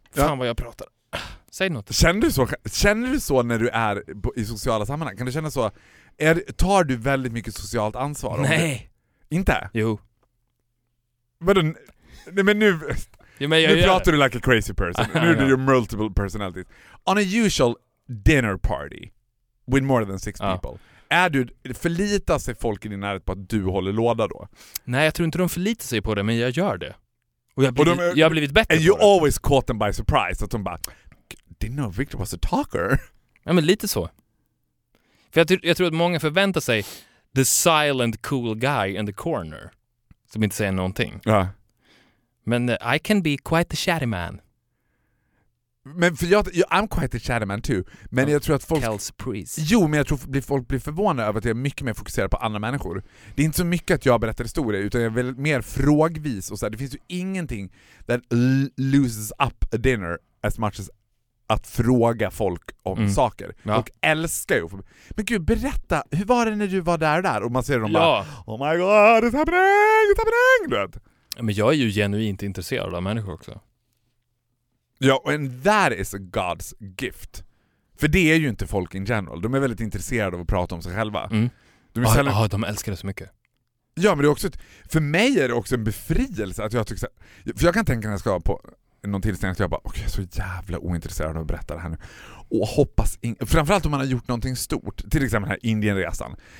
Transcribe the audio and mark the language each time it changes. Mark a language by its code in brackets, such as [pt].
[sv] Fan, ja. Vad jag pratar. Säg något. Känner du så när du är i sociala sammanhang? Kan du känna så? Tar du väldigt mycket socialt ansvar? Nej. Inte? Jo. Men nu pratar du [en] like a crazy person. [sv] Nu är du [en] your multiple personalities. On a usual dinner party with more than six people. [sv] Förlitar sig folk i din närhet på att du håller låda då? Nej, jag tror inte de förlitar sig på det, men jag gör det. Och jag har blivit bättre på det. [en] And you always caught them by surprise. [sv] Att de bara... [en] Didn't know Victor was a talker. [sv] Ja, men lite så. För jag tror att många förväntar sig [en] the silent cool guy in the corner [sv] som inte säger någonting. Ja. [en] Men I can be quite the chatty man. Men för jag I'm quite the chatty man too. [sv] Men jag tror att folk... Kels Priest. Jo, men jag tror att folk blir förvånade över att jag är mycket mer fokuserad på andra människor. Det är inte så mycket att jag berättar historier utan jag är väl mer frågvis och så här. Det finns ju ingenting [en] that loses up a dinner as much as [sv] att fråga folk om saker. Ja. Och älskar ju. Men gud, berätta, hur var det när du var där? Och man ser dem bara, [en] oh my god, it's happening! [sv] Du vet. Men jag är ju genuint intresserad av människor också. [en] Ja, and that is a God's gift. [sv] För det är ju inte folk [en] in general. [sv] De är väldigt intresserade av att prata om sig själva. Mm. De älskar det så mycket. Ja, men det är också för mig är det också en befrielse att jag tycker så här, för jag kan tänka när jag ska på någon tillställning att jag bara, okej, jag är så jävla ointresserad av att berätta det här nu. Och hoppas framförallt om man har gjort någonting stort, till exempel den här Indienresan.